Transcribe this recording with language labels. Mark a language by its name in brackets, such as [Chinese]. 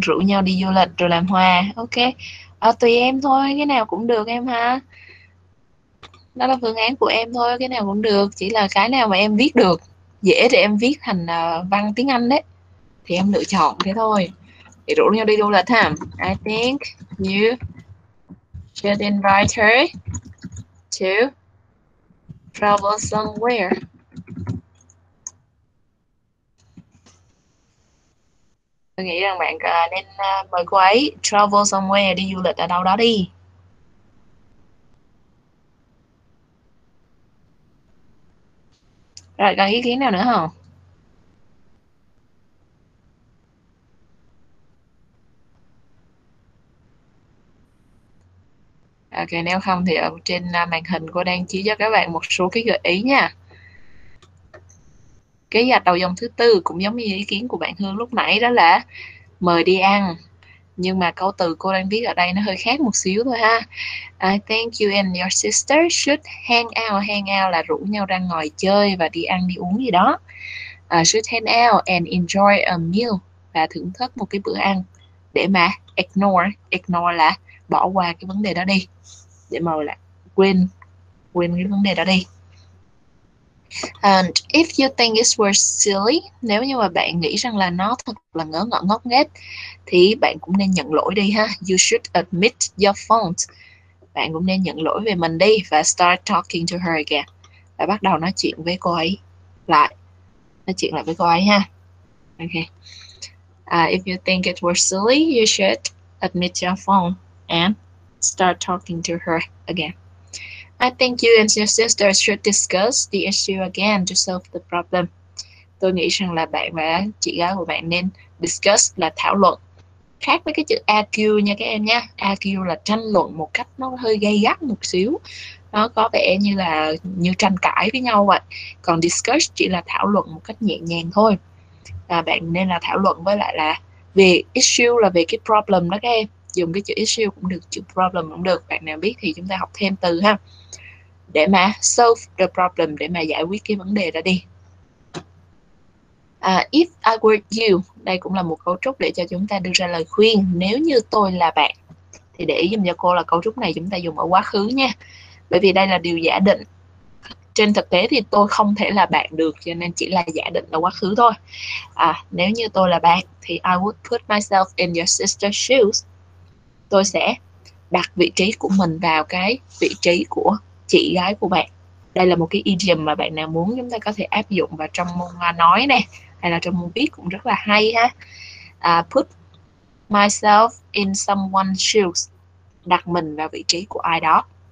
[Vietnamese] Rủ nhau đi du lịch rồi làm hòa. Ok, à, tùy em thôi. Cái nào cũng được em ha. Đó là phương án của em thôi. Cái nào cũng được. Chỉ là cái nào mà em viết được dễ thì em viết thành văn tiếng Anh đấy, thì em lựa chọn thế thôi. Thì rủ nhau đi du lịch ha. [English] I think you should invite her to travel somewhere. [Vietnamese] Tôi nghĩ rằng bạn nên mời cô ấy [English] travel somewhere, [Vietnamese] đi du lịch ở đâu đó đi. Rồi, còn ý kiến nào nữa không? Ok, nếu không thì ở trên màn hình cô đang chỉ cho các bạn một số cái gợi ý nha. Cái gạch đầu dòng thứ tư cũng giống như ý kiến của bạn Hương lúc nãy, đó là mời đi ăn. Nhưng mà câu từ cô đang viết ở đây nó hơi khác một xíu thôi ha. [English] I think you and your sister should hang out. [Vietnamese] Hang out là rủ nhau ra ngồi chơi và đi ăn, đi uống gì đó. [English] Should hang out and enjoy a meal, [Vietnamese] và thưởng thức một cái bữa ăn. Để mà ignore, ignore là bỏ qua cái vấn đề đó đi, để mà lại quên, quên cái vấn đề đó đi. [English] And if you think it's worth silly, [Vietnamese] nếu như mà bạn nghĩ rằng là nó thật là ngớ ngẩn ngốc nghếch thì bạn cũng nên nhận lỗi đi ha. [English] You should admit your fault. [Vietnamese] Bạn cũng nên nhận lỗi về mình đi và [English] start talking to her again. [Vietnamese] Và bắt đầu nói chuyện với cô ấy lại. Nói chuyện lại với cô ấy ha. Ok. [English] If you think it's worth silly, you should admit your fault and start talking to her again. I think you and your sister should discuss the issue again to solve the problem. [Vietnamese] Tôi nghĩ rằng là bạn và chị gái của bạn nên discuss là thảo luận. Khác với cái chữ argue nha các em nha. Argue là tranh luận một cách nó hơi gay gắt một xíu. Nó có vẻ như là như tranh cãi với nhau vậy. Còn discuss chỉ là thảo luận một cách nhẹ nhàng thôi. Và bạn nên là thảo luận với lại là về issue, là về cái problem đó các em. Dùng cái chữ issue cũng được, chữ problem cũng được. Bạn nào biết thì chúng ta học thêm từ ha. để mà [English] solve the problem, [Vietnamese] để mà giải quyết cái vấn đề ra đi. [English] If I were you, [Vietnamese] đây cũng là một cấu trúc để cho chúng ta đưa ra lời khuyên. Nếu như tôi là bạn, thì để ý giùm cho cô là cấu trúc này chúng ta dùng ở quá khứ nha. Bởi vì đây là điều giả định. Trên thực tế thì tôi không thể là bạn được, cho nên chỉ là giả định ở quá khứ thôi. Nếu như tôi là bạn, thì [English] I would put myself in your sister's shoes. [Vietnamese] Tôi sẽ đặt vị trí của mình vào cái vị trí của chị gái của bạn. Đây là một cái idiom mà bạn nào muốn chúng ta có thể áp dụng vào trong môn nói này, hay là trong môn viết cũng rất là hay ha. [English] Put myself in someone's shoes, [Vietnamese] đặt mình vào vị trí của ai đó.